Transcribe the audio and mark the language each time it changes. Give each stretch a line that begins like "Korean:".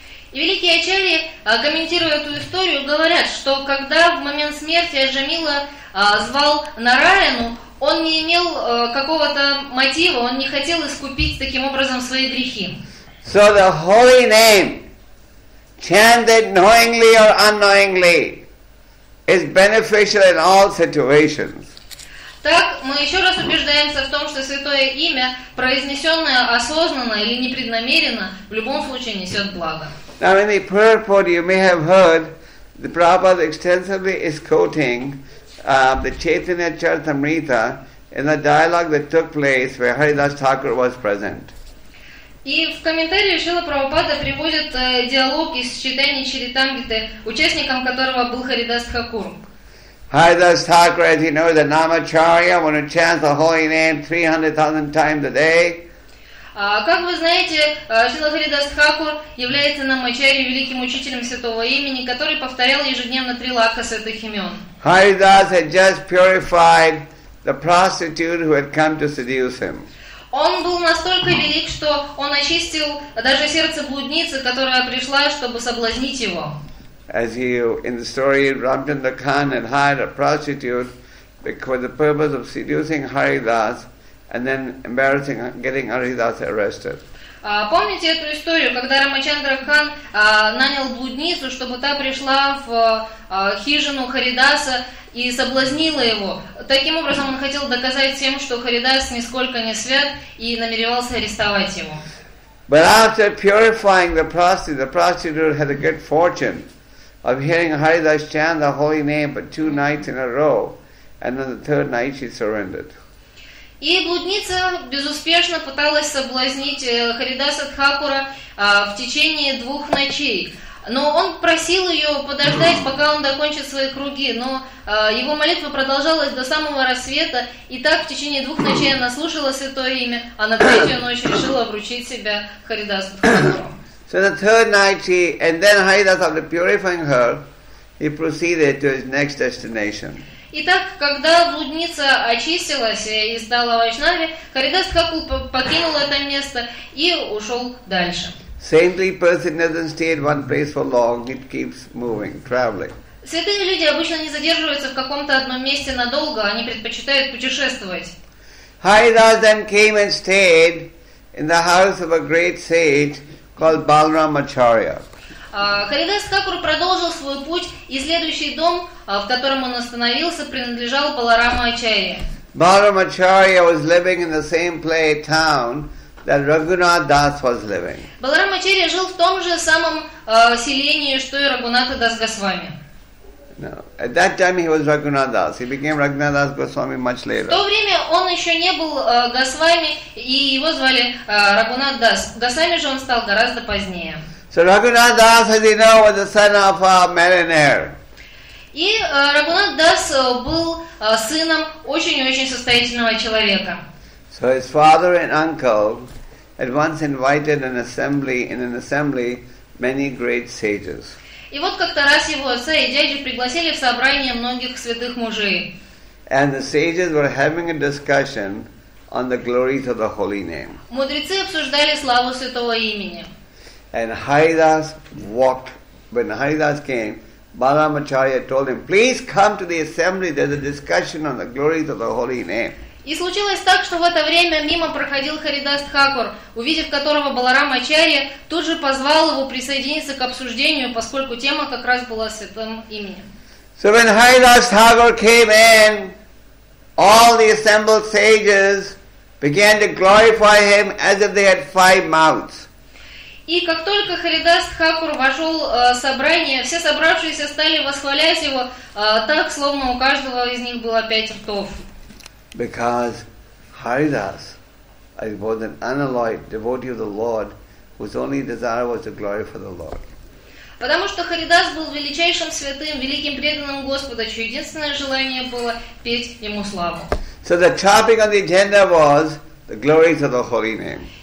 Russian: И великие ачарьи, комментируя эту историю, говорят, что когда в момент смерти Аджамила звал Нараяну, он не имел какого-то мотива, он не хотел искупить таким образом свои грехи.
English: So the holy name, chanted knowingly or unknowingly, is beneficial in all situations.
Russian: Так мы еще раз убеждаемся в том, что святое имя, произнесенное осознанно или непреднамеренно, в любом случае несет благо.
English: Now in the purport you may have heard the Prabhupada extensively is quoting the Chaitanya Charitamrita in a dialogue that took place where Haridas Thakur was present.
Russian: И в комментарии Шрила Прабхупада приводит диалог из читания Чаритамриты, участником которого был Харидас Тхакур.
English: Haridas Thakur, as you know, the Namacharya, when he chants the holy name 300,000 times a day.
Russian: Как вы знаете, Шрила Харидас Тхакур является Намачарьей, великим учителем святого имени, который повторял ежедневно три лакха святых имен.
English: Haridas had just purified the prostitute who had come to seduce him.
Russian: Он был настолько велик, что он очистил даже сердце блудницы, которая пришла, чтобы соблазнить его.
English: As he, in the story, Ramchandra Khan had hired a prostitute for the purpose of seducing Haridas and then embarrassing, getting Haridas arrested.
Russian: Помните эту историю, когда Рамачандра Хан нанял блудницу, чтобы та пришла в хижину Харидаса и соблазнила его? Таким образом, он хотел доказать всем, что Харидас нисколько не свят, и намеревался арестовать его.
English: But after purifying the prostitute had a good fortune of hearing Haridas chant the holy name but two nights in a row, and on the third night she surrendered.
Russian: И блудница безуспешно пыталась соблазнить Харидаса Тхакура в течение двух ночей. Но он просил ее подождать, пока он докончит свои круги. Но его молитва продолжалась до самого рассвета. И так в течение двух ночей она слушала святое имя, а на третью ночь решила вручить себя Харидасу Тхакуру.
English: So the third night she, and then Haridas, after purifying her, he proceeded to his next destination.
Russian: Итак, когда блудница очистилась и стала вайшнави, Харидас Тхакур покинул это место и ушел дальше.
English: Saintly person doesn't stay in one place for long, it keeps moving, traveling.
Russian: Святые люди обычно не задерживаются в каком-то одном месте надолго, они предпочитают путешествовать.
English: Haridas then came and stayed in the house of a great sage called Balaram Acharya.
Russian: Харидас Тхакур продолжил свой путь, и следующий дом, в котором он остановился, принадлежал Баларама Ачарье.
English: Balaram Acharya was living in the same play town that Raghunath Das was living.
Russian: Balaram Acharya жил в том же самом селении, что и Рагхунатха Дас Госвами.
English: No. At that time he was Raghunath Das. He became Raghunath Das Goswami much later.
Russian: В то время он еще не был Госвами, и его звали Рагхунатха Дас. Госвами же он стал гораздо позднее.
English: So Raghunath Das, as you know, was the son of a millionaire.
Russian: И Рагунат Дас был сыном очень-очень состоятельного человека.
English: So his father and uncle had once invited in an assembly many great sages.
Russian: И вот как-то раз его отца и дядю пригласили в собрание многих святых мужей.
English: And the sages were having a discussion on the glories of the holy name.
Russian: Мудрецы обсуждали славу святого имени.
English: When Haridas came, Balaramacharya told him, "Please come to the assembly. There's a discussion on the glories of the holy name."
Russian: И случилось так, что в это время мимо проходил Харидас Тхакур, увидев которого Баларамачарья, тут же позвал его присоединиться к обсуждению, поскольку тема как раз была святым именем.
English: So when Haridas Thakur came in, all the assembled sages began to glorify him as if they had five mouths.
Russian: И как только Харидас Тхакур вошел в собрание, все собравшиеся стали восхвалять его так, словно у каждого из них было пять ртов.
English: Because Haridas was an unalloyed devotee of the Lord, whose only desire was to glorify the Lord.
Russian: Потому что Харидас был величайшим святым, великим преданным Господа, чье единственное желание было петь ему славу.
English: So the topic on the agenda was the glories of the holy name.